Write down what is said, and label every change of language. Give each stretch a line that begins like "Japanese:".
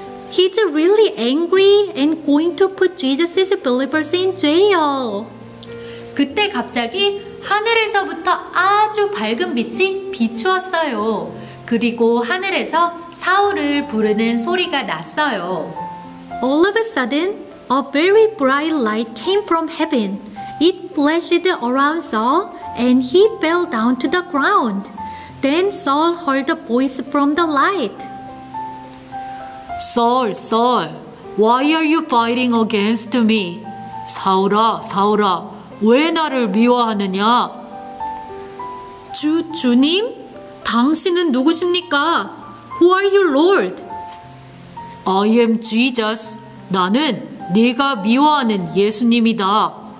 English: He's really angry and going to put Jesus' believers in jail.
Korean: 그때 갑자기 하늘에서부터 아주 밝은 빛이 비추었어요. 그리고 하늘에서 사울을 부르는 소리가 났어요.
English: All of a sudden, a very bright light came from heaven. It flashed around Saul, and he fell down to the ground. Then Saul heard a voice from the light. Saul, Saul, why are you fighting against me?
Korean: 사울아, 사울아, 왜 나를 미워하느냐? 주님? 당신은 누구십니까?
English: Who are you, Lord? I am Jesus.
Korean: 나는 네가 미워하는 예수님이다.